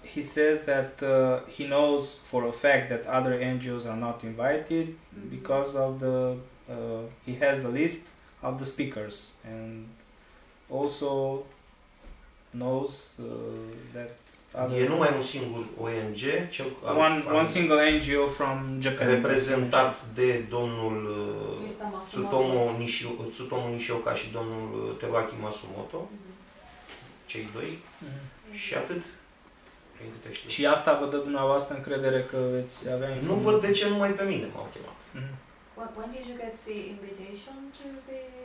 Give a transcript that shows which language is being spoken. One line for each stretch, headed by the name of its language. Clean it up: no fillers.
English: He says that he knows for a fact that other NGOs are not invited mm-hmm. because of the he has the list of the speakers and also knows that
Romanian: e numai un singur ONG, cel
English: one single NGO from Japan,
Romanian: reprezentat de domnul Tsutomu Nishioka și domnul Teruaki Masumoto, cei doi, și atât. Și asta vă dă dumneavoastră încredere că veți avea... Nu văd de ce numai pe mine m-au chemat.
English: When did you get the invitation to the...